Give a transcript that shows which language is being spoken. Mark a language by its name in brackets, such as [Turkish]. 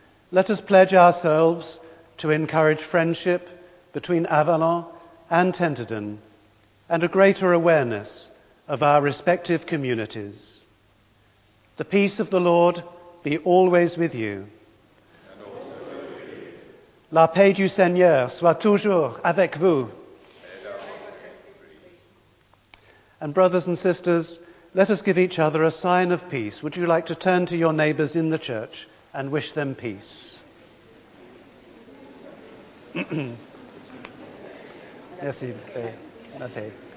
[English] Let us pledge ourselves to encourage friendship between Avalon and Tenterden and a greater awareness of our respective communities. The peace of the Lord be always with you. [French] La paix du Seigneur soit toujours avec vous. [English] And brothers and sisters, let us give each other a sign of peace. Would you like to turn to your neighbors in the church and wish them peace? [French] Merci, Mathieu.